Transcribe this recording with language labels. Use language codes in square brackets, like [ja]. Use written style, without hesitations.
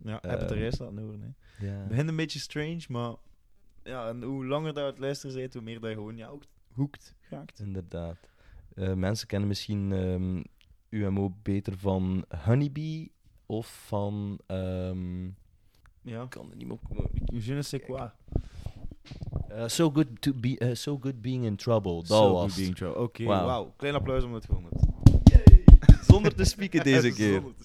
[nl] Ja, heb het er eerst laten horen. Het begint een beetje strange, maar ja, en hoe langer dat het luisteren zit, hoe meer dat je gewoon ook hoekt raakt. Inderdaad. Mensen kennen misschien UMO beter van Honeybee of van... ja. Ik kan er niet meer komen. [fr] Je ne sais quoi. [en] So good to be, so good being in trouble. [nl] Dat [en] so was. Good being trouble. Oké, okay, wauw. Wow. [nl] Klein applaus om dat gevonden. Zonder te spieken deze keer.